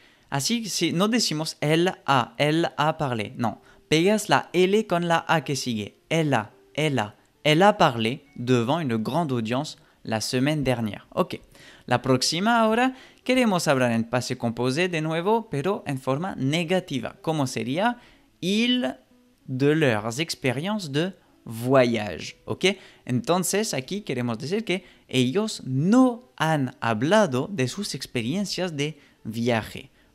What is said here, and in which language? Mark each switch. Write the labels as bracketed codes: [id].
[es] Así, si no decimos [fr] elle a parlé. [es] No. Pegas la L con la A que sigue. [fr] Elle a. Elle a parlé devant une grande audience la semaine dernière. [es] Ok. La próxima ahora. Queremos hablar en pasé composé de nuevo, pero en forma negativa. ¿Cómo sería? [fr] De leurs expériences de voyage. Ok? [es] Entonces, aquí queremos decir que ellos no han hablado de sus experiencias de viaje.